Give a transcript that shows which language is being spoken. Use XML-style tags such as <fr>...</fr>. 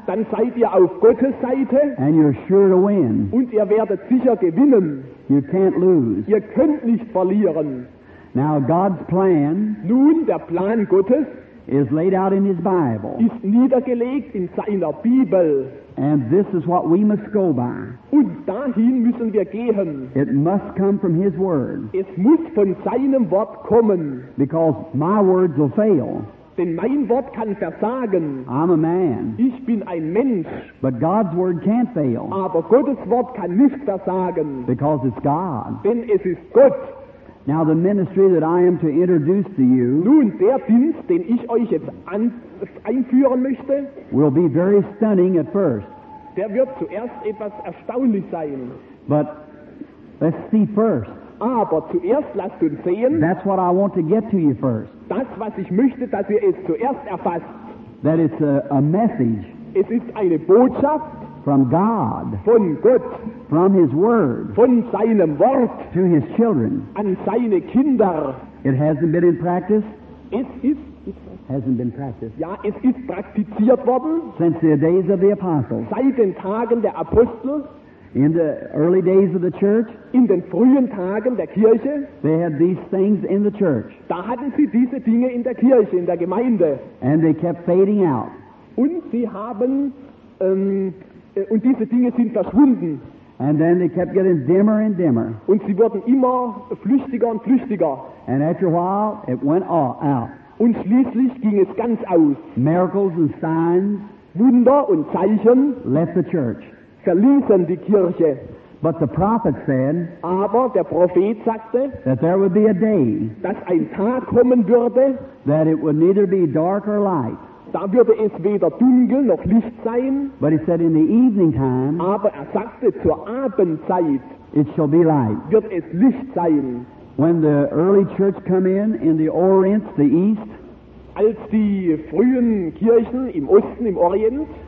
<de>dann seid ihr auf Gottes Seite,</de> <en>and you're sure to win.</en> <de>Und ihr werdet sicher gewinnen.</de> <en>You can't lose.</en> <de>Ihr könnt nicht verlieren.</de> <en>Now God's plan,</en> <de>nun der Plan Gottes,</de> <en>is laid out in His Bible.</en> <de>Ist niedergelegt in seiner Bibel.</de> <en>And this is what we must go by.</en> <de>Und dahin müssen wir gehen.</de> <en>It must come from His Word.</en> <de>Es muss von seinem Wort kommen.</de> <en>Because my words will fail.</en> <de>Denn mein Wort kann versagen.</de> <en>I'm a man.</en> <de>Ich bin ein Mensch.</de> <en>But God's Word can't fail.</en> <de>Aber Gottes Wort kann nicht versagen.</de> <en>Because it's God.</en> <de>Denn es ist Gott.</de> <en>Now the ministry that I am to introduce to you,</en> <de>nun, der Dienst, den ich euch jetzt einführen möchte,</de> <en>will be very stunning at first.</en> <de>Der wird zuerst etwas erstaunlich sein.</de> <en>But let's see first.</en> <de>Aber zuerst lasst uns sehen.</de> <en>That's what I want to get to you first.</en> <de>Das, was ich möchte, dass ihr es zuerst erfasst.</de> <en>That it's a message.</en> <de>Es ist eine Botschaft.</de> <en>From God,</en> <de>von Gott,</de> <en>from His Word,</en> <de>von seinem Wort,</de> <en>to His children,</en> <de>an seine Kinder.</de> <en>It hasn't been in practice.</en> <de>Es ist,</de> <en>hasn't been practiced.</en> <de>Ja, es ist praktiziert worden.</de> <en>Since the days of the apostles,</en> <de>seit den Tagen der Apostel.</de> <en>In the early days of the church,</en> <de>in den frühen Tagen der Kirche,</de> <en>they had these things in the church.</en> <de>Da hatten sie diese Dinge in der Kirche, in der Gemeinde.</de> <en>And they kept fading out.</en> <de>Und sie haben und diese Dinge sind verschwunden.</de> <en>And then they kept getting dimmer and dimmer.</en> <de>Und sie wurden immer flüchtiger und flüchtiger.</de> <en>And after a while, it went all out.</en> <de>Und schließlich ging es ganz aus.</de> <en>Miracles and signs,</en> <de>Wunder und Zeichen,</de> <en>left the church.</en> <de>Verließen die Kirche.</de> <en>But the prophet said,</en> <de>aber der Prophet sagte,</de> <en>that there would be a day,</en> <de>dass ein Tag kommen würde,</de> <en>that it would neither be dark or light.</en> <de>Da würde es weder dunkel noch Licht sein.</de> <en>But he said in the evening time,</en> <de>aber er sagte zur Abendzeit,</de> <en>it shall be light.</en> <de>Wird es Licht sein.</de> <en>When the early church come in the Orient, the East,</en> <de>als die frühen Kirchen im Osten, im Orient,</de>